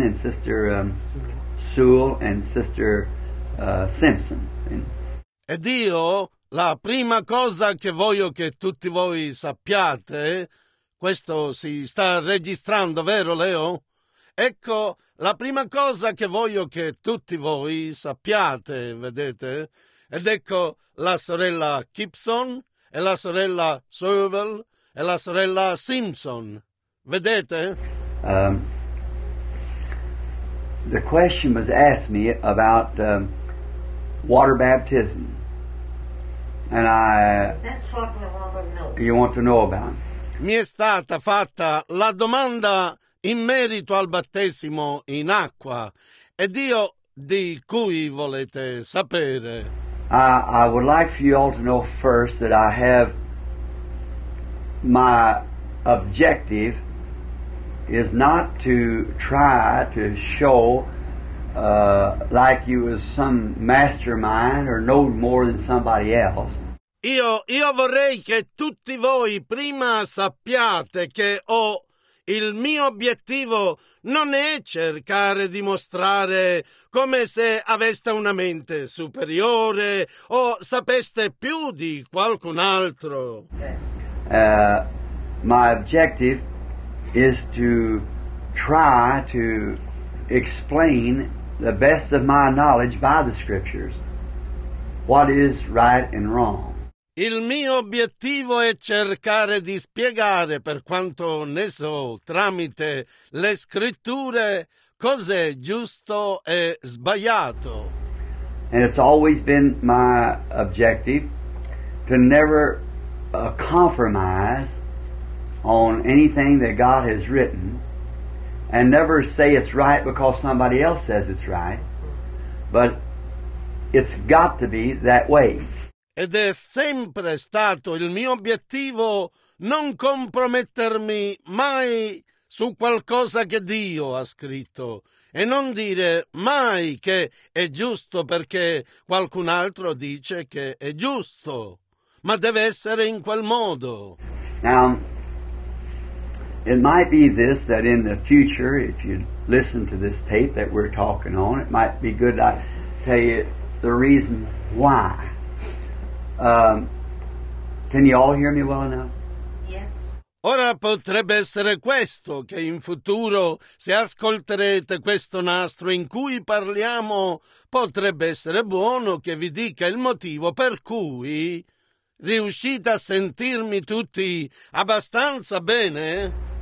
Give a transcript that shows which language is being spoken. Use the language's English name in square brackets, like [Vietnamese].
[English] and Sister Sewell and Sister Simpson. [Italian] Ed io, la prima cosa che voglio che tutti voi sappiate, questo si sta registrando, vero Leo? Ecco, la prima cosa che voglio che tutti voi sappiate, vedete? Ed ecco la sorella Gibson e la sorella Sewell e la sorella Simpson. Vedete? [English] The question was asked me about water baptism, and I. That's what we want to know. You want to know about? [Italian] Mi è stata fatta la domanda in merito al battesimo in acqua, ed io di cui volete sapere. [English] I would like for you all to know first that I have my objective. Is not to try to show like you was some mastermind or know more than somebody else. [Italian] Io vorrei che tutti voi prima sappiate che ho il mio obiettivo non è cercare di mostrare come se aveste una mente superiore o sapeste più di qualcun altro. [English] My objective is to try to explain the best of my knowledge by the scriptures what is right and wrong. [Italian] Il mio obiettivo è cercare di spiegare per quanto ne so tramite le scritture cos'è giusto e sbagliato. [English] And it's always been my objective to never compromise on anything that God has written, and never say it's right because somebody else says it's right, but it's got to be that way. [Italian] Ed è sempre stato il mio obiettivo non compromettermi mai su qualcosa che Dio ha scritto, e non dire mai che è giusto perché qualcun altro dice che è giusto, ma deve essere in quel modo. [English] Now, it might be this, that in the future, if you listen to this tape that we're talking on, it might be good to tell you the reason why. Can you all hear me well enough? [Italian] Ora potrebbe essere questo, che in futuro, se ascolterete questo nastro in cui parliamo, potrebbe essere buono che vi dica il motivo per cui riuscite a sentirmi tutti abbastanza bene?